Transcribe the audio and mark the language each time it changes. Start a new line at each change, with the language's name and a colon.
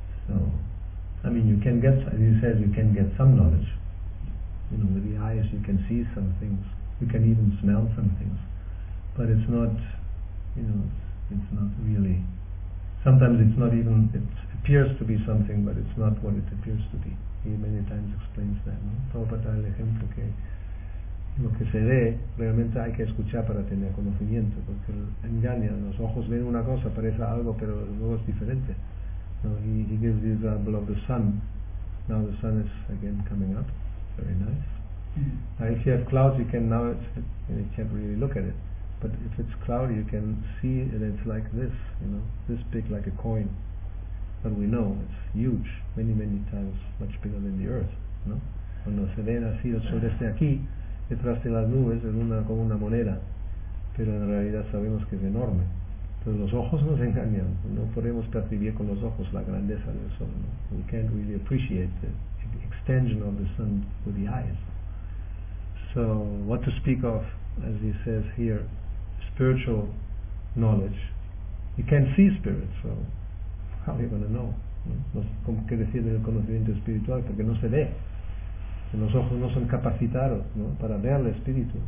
English: So I mean, you can get, as he says, you can get some knowledge, you know, with the eyes you can see some things, you can even smell some things, but it's not, you know, it's not really, sometimes it's not even, it appears to be something but it's not what it appears to be. He many times explains that, no?
Spanish: Prabhupada le ejemplo que lo que se ve, realmente hay que escuchar para tener conocimiento, porque engaña, los ojos ven una cosa, parece algo, pero luego es diferente.
English: No, he gives the example of the sun. Now the sun is again coming up, very nice. Now if you have clouds, you can, now it's, you can't really look at it, but if it's cloudy, you can see, and it's like this, you know, this big, like a coin. But we know it's huge, many, many times much bigger than the earth, no?
Spanish: Cuando se ven así, el sol desde aquí, detrás de las nubes, es una, como una moneda, pero en realidad sabemos que es enorme. Entonces los ojos nos engañan, no podemos percibir con los ojos la grandeza del sol, ¿no?
English: We can't really appreciate the extension of the sun with the eyes. So what to speak of, as he says here, spiritual knowledge. You can't see spirit, so how are you going to know?
Spanish: ¿No? ¿Cómo que decir del conocimiento espiritual? Porque no se ve. Los ojos no son capacitados, ¿no?, para ver el espíritu.